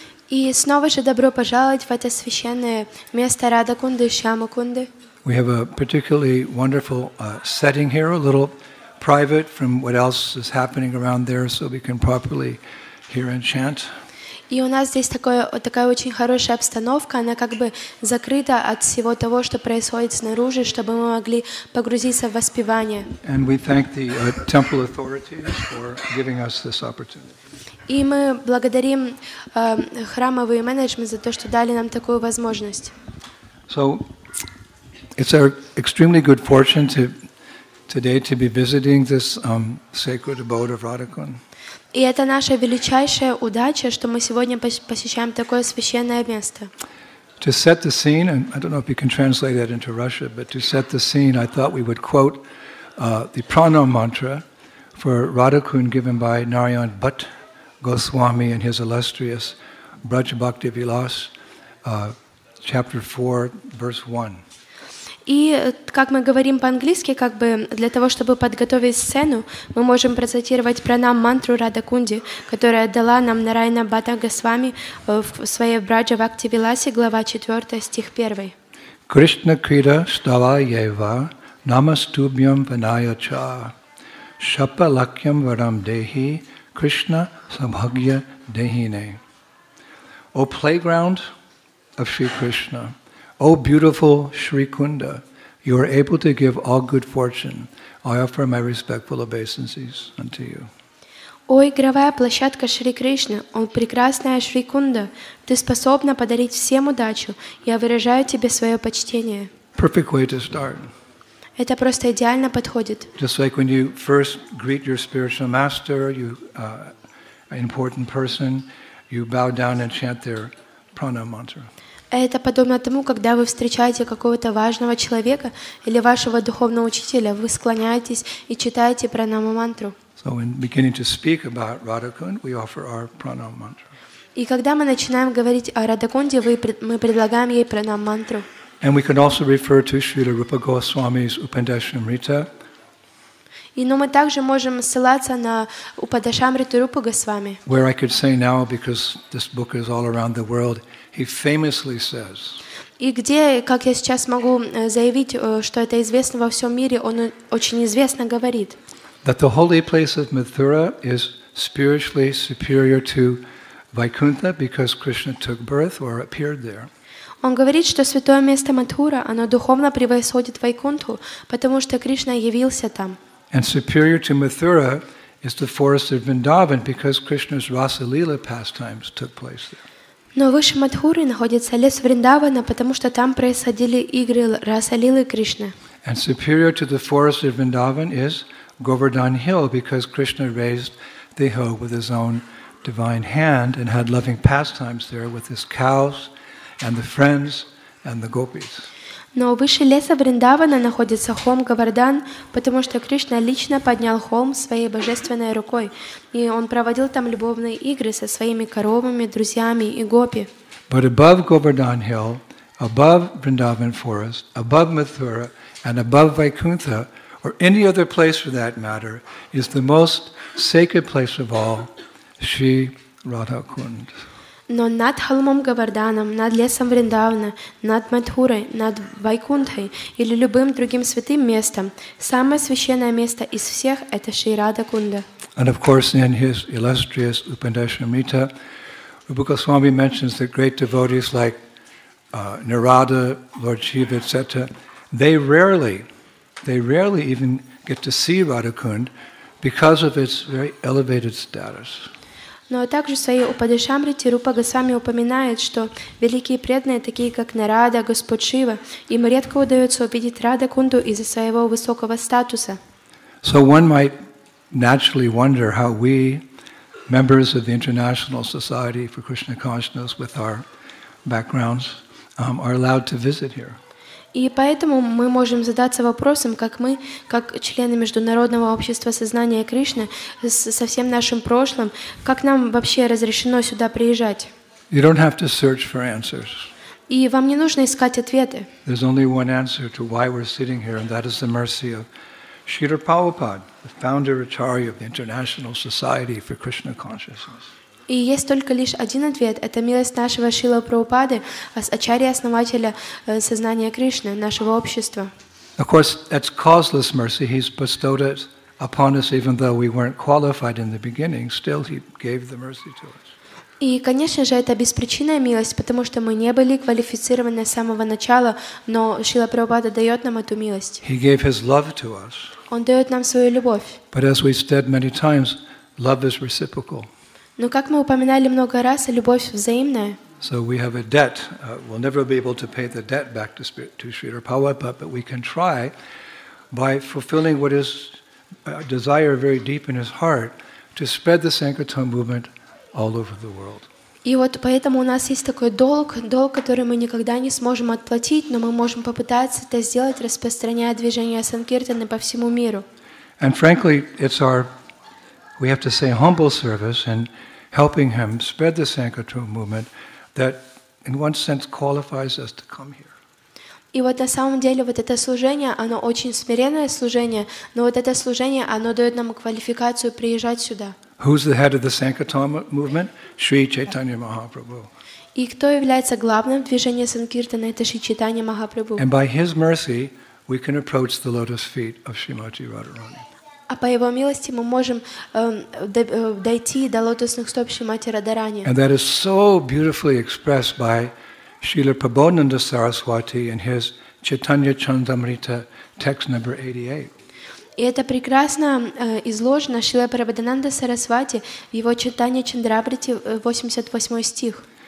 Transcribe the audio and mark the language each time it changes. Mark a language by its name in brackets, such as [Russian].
[Russian] И снова же добро пожаловать в это священное место Радхакунды, Шьямакунды. [English] We have a particularly wonderful setting here, a little private from what else is happening around there, so we can properly hear and chant. [Russian] И у нас здесь такая очень хорошая обстановка, она как бы закрыта от всего того, что происходит снаружи, чтобы мы могли погрузиться в воспевание. [English] And we thank the temple authorities for giving us this opportunity. [Russian] И мы благодарим храмовый менеджмент за то, что дали нам такую возможность. [English] So, it's our extremely good fortune to today to be visiting this sacred abode of Radhakund. [Russian] И это наша величайшая удача, что мы сегодня посещаем такое священное место. [English] To set the scene, and I don't know if you can translate that into Russian, but to set the scene, I thought we would quote the prana mantra for Radhakund given by Narayan Bhatt Goswami and his illustrious Braj Bhakti Vilas, chapter 4, verse 1. [Russian] И как мы говорим по-английски, как бы для того, чтобы подготовить сцену, мы можем процитировать пранам мантру Радхакунди, которая дала нам Нараяна Бхатта Госвами в своей Браджа Бхакти Виласе, глава 4, стих 1. [Sanskrit] Кришна Крида Става Ева Намастубьям Ванаяча Шапалакьям Варам Дехи Кришна Сабхагья Дехине. [English] O playground of Sri Krishna, O beautiful Sri Kunda, you are able to give all good fortune. I offer my respectful obeisances unto you. [Russian] О игровая площадка Шри Кришна, о прекрасная Шри Кунда, ты способна подарить всем удачу. Я выражаю тебе свое почтение. [English] Perfect way to start. [Russian] Это просто идеально подходит. [English] Just like when you first greet your spiritual master, you an important person, you bow down and chant their prana mantra. [Russian] Это подобно тому, когда вы встречаете какого-то важного человека или вашего духовного учителя, вы склоняетесь и читаете пранаму мантру. [English] So in beginning to speak about Radhakund, we offer our pranam mantra. [Russian] И когда мы начинаем говорить о Радхакунде, мы предлагаем ей пранам мантру. [English] And we can also refer to Srila Rupa Goswami's Upadashamrita. [Russian] И но мы также можем ссылаться на Упадашамриту Рупы Госвами. [English] Where I could say now, because this book is all around the world. He famously says. [Russian] И где, как я сейчас могу заявить, что это известно во всем мире, он очень известно говорит. [English] That the holy place of Mathura is spiritually superior to Vaikuntha because Krishna took birth or appeared there. [Russian] Он говорит, что святое место Матхура, оно духовно превосходит Вайкунту, потому что Кришна явился там. [English] And superior to Mathura is the forest of Vrindavan because Krishna's Rasa Lila pastimes took place there. [Russian] Но выше Матхуры находится лес Вриндавана, потому что там происходили игры Расалилы Кришны. [English] And superior to the forest of Vrindavan is Govardhan Hill, because Krishna raised the hill with his own divine hand and had loving pastimes there with his cows and the friends and the gopis. [Russian] Но выше леса Вриндавана находится холм Говардан, потому что Кришна лично поднял холм своей божественной рукой, и он проводил там любовные игры со своими коровами, друзьями и гопи. [English] But above Govardhan Hill, above Vrindavan Forest, above Mathura, and above Vaikuntha, or any other place for that matter, is the most sacred place of all, Sri Radhakund. [Russian] Но над холмом Говарданом, над лесом Вриндавана, над Матхурой, над Вайкунтхой или любым другим святым местом, самое священное место из всех – это Шри Радхакунда. [English] And of course, in his illustrious Upadashamrita, Rupa Goswami mentions that great devotees like Narada, Lord Shiva, etc., they rarely even get to see Radhakund because of its very elevated status. [Russian] Но также в своей Упадешамрите Рупа Госвами упоминает, что великие преданные, такие как Нарада, Господь Шива, им редко удается увидеть Рада Кунду из-за своего высокого статуса. [English] So one might naturally wonder how we, members of the International Society for Krishna Consciousness, with our backgrounds, are allowed to visit here. [Russian] И поэтому мы можем задаться вопросом, как мы, как члены Международного общества сознания Кришны, со всем нашим прошлым, как нам вообще разрешено сюда приезжать? [English] You don't have to search for answers. [Russian] И вам не нужно искать ответы. [English] There's only one answer to why we're sitting here, and that is the mercy of Śrīla Prabhupāda, the founder Acharya of the International Society for Krishna Consciousness. [Russian] И есть только лишь один ответ – это милость нашего Шрилы Прабхупады, ачарьи-основателя сознания Кришны, нашего общества. [English] Of course, that's causeless mercy. He's bestowed it upon us, even though we weren't qualified in the beginning. Still, he gave the mercy to us. [Russian] И, конечно же, это беспричинная милость, потому что мы не были квалифицированы с самого начала, но Шрила Прабхупада дает нам эту милость. [English] He gave his love to us. [Russian] Он дает нам свою любовь. [English] But as we've said many times, love is reciprocal. [Russian] Но как мы упоминали много раз, любовь взаимная. [English] So we have a debt. We'll never be able to pay the debt back to Śrīla Prabhupāda, but we can try by fulfilling what is a desire very deep in his heart to spread the Sankirtan movement all over the world. [Russian] И вот поэтому у нас есть такой долг, долг, который мы никогда не сможем отплатить, но мы можем попытаться это сделать, распространяя движение Санкиртаны по всему миру. [English] And frankly, it's our We have to say humble service in helping him spread the Sankirtan movement that, in one sense, qualifies us to come here. [Russian] И вот на самом деле вот это служение, оно очень смиренное служение, но вот это служение, оно дает нам квалификацию приезжать сюда. [English] Who's the head of the Sankirtan movement? Shri Chaitanya Mahaprabhu. [Russian] И кто является главным движением Санкиртаны? Это Шри Чайтанья Махапрабху. [English] And by his mercy, we can approach the lotus feet of Srimati Radharani. [Russian] А по его милости мы можем дойти до лотосных стоп Шримати Радарани. [English] And that is so beautifully expressed by Śrīla Prabhonanda Saraswati in his Chaitanya Chandamrita text number 88. [Russian] И это прекрасно изложено Śrīla Prabhonanda Saraswati в его Chaitanya Chandamrita 88 стих.